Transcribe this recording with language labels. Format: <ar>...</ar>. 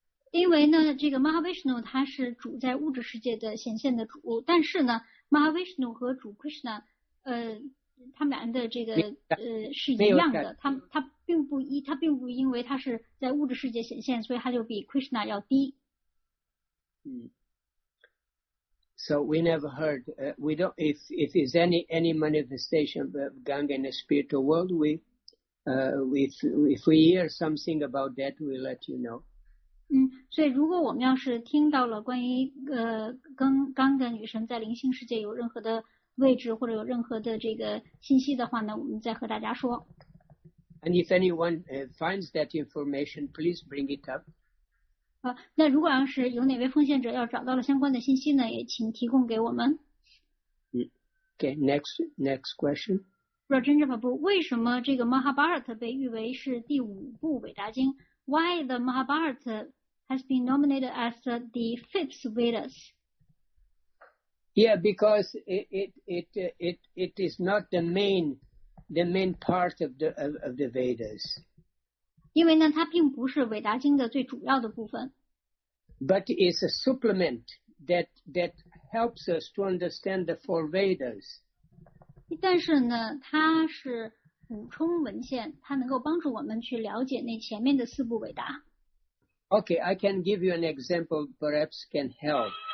<zh>因为呢，这个 Mahavishnu 他是主在物质世界的显现的主，但是呢 ，Mahavishnu 和主 Krishna， 他们俩的这个是一样的，他并不一，他并不因为他是在物质世界显现，所以他就比 Krishna 要低。</zh> <en>So we never heard, we don't, if there's any manifestation of Ganga in the spiritual world, if we hear something about that, we'll let you know.</en> <zh>所以如果我们要是听到了关于跟Ganga女神在灵性世界有任何的位置或者有任何的这个信息的话呢，我们再和大家说。</zh> <en>And if anyone finds that information, please bring it up.</en> <zh>那如果要是有哪位奉献者要找到了相关的信息呢，也请提供给我们。</zh> <en>Okay, next question.</en> <zh>Rajendra Prabhu, 为什么这个 Mahabharata 被誉为是第五部伟大经？</zh> <en>Why the Mahabharata has been nominated as the fifth Vedas? Yeah, because it is not the main part of the Vedas.</en> <zh>因为呢，它并不是伟达经的最主要的部分。</zh> <en>But it's a supplement that helps us to understand the four Vedas.</en> <zh>但是呢，它是补充文献，它能够帮助我们去了解那前面的四部伟达。</zh> <en>Okay, I can give you an example, perhaps can help.</en>